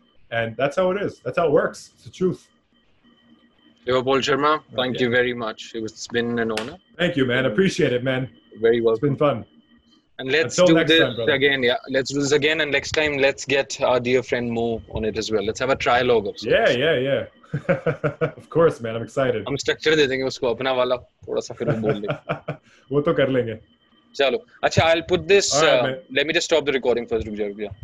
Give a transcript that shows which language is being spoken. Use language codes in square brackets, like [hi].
[en] And that's how it is. That's how it works. It's the truth. Paul Sharma, thank you very much. It's been an honor. Thank you, man. Appreciate it, man. Very well. It's been fun. And let's do this again. Yeah, let's do this again. And next time, let's get our dear friend Mo on it as well. Let's have a trilogue. Yeah. Of course, man. I'm excited. [hi] हम structure दे देंगे उसको अपना वाला थोड़ा सा फिर हम बोल लेंगे. वो तो कर लेंगे. चलो. अच्छा, [en] I'll put this. Let me just stop the recording first. Yeah.